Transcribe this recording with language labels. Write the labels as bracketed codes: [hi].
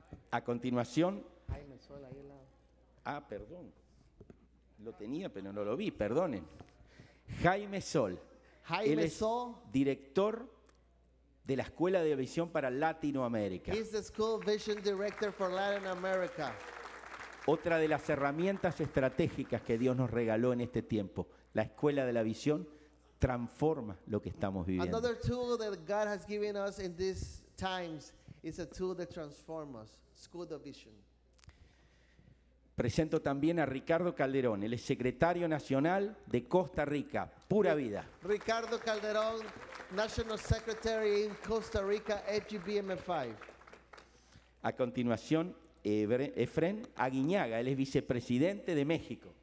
[es] A continuación. Ay, me suena ahí al lado. Ah, perdón. Lo tenía, pero no lo vi. Perdonen. Jaime Sol. Jaime él es Sol. Director de la Escuela de Visión para Latinoamérica. [en] He's the School Vision Director for Latin America. [es] Otra de las herramientas estratégicas que Dios nos regaló en este tiempo, la Escuela de la Visión, transforma lo que estamos viviendo. [en] Another tool that God has given us in these times is a tool that transforms us, School of Vision. [es] Presento también a Ricardo Calderón, él es secretario nacional de Costa Rica, Pura Vida. [en] Ricardo Calderón, National Secretary in Costa Rica, FGBMFI. [es] A continuación, Efren Aguiñaga, él es vicepresidente de México.